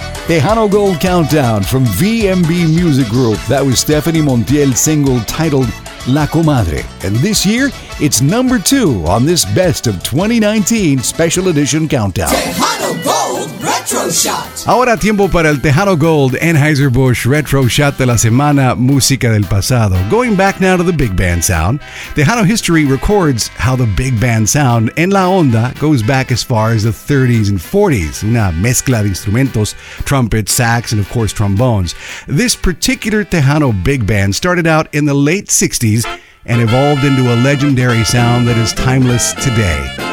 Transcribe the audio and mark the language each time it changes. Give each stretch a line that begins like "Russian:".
English: Tejano Gold Countdown from VMB Music Group. That was Stephanie Montiel's single titled La Comadre. And this year, it's number two on this Best of 2019 Special Edition Countdown. Tejano Gold Retro Shot.
Spanish: Ahora tiempo para el Tejano Gold Anheuser-Busch Retro Shot de la Semana, Música del Pasado.
English: Going back now to the big band sound, Tejano history records how the big band sound
Spanish: en la onda
English: goes back as far as the 30s and 40s.
Spanish: Una mezcla de instrumentos,
English: trumpets, sax, and of course trombones. This particular Tejano big band started out in the late 60s and evolved into a legendary sound that is timeless today.